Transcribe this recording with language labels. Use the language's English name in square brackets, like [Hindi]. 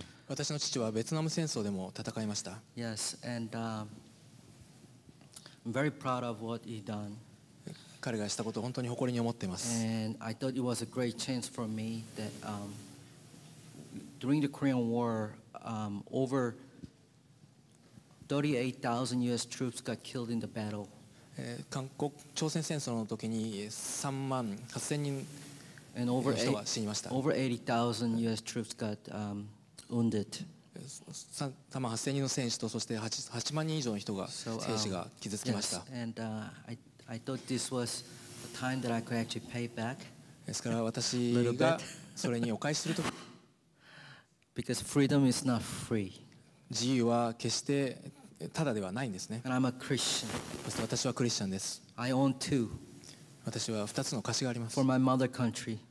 [Japanese] 私の父はベトナム戦争でも戦いました。 [English] Yes, and I'm very proud of what he done. [Japanese] 彼がしたことを本当に誇りに思っています。 [English] And I thought it was a great chance for me that during the Korean War, over 38,000 US troops got killed in the battle. [Japanese] 韓国朝鮮戦争の時に3万8000人 [English] And over 80,000 U.S. troops got wounded. [Japanese] 38,000人の戦士とそして 8万人以上の人が戦士が傷つきました。 [English] Yes. And I thought this was the time that I could actually pay back. [Japanese] ですから私がそれにお返しすると。 [English] Because freedom is not free. [Japanese] 自由は決してただではないんですね。 [English] And I'm a Christian. [Japanese] そして私はクリスチャンです。 [English] I own two. [Japanese] 私は2つの貸しがあります [English] For my mother country.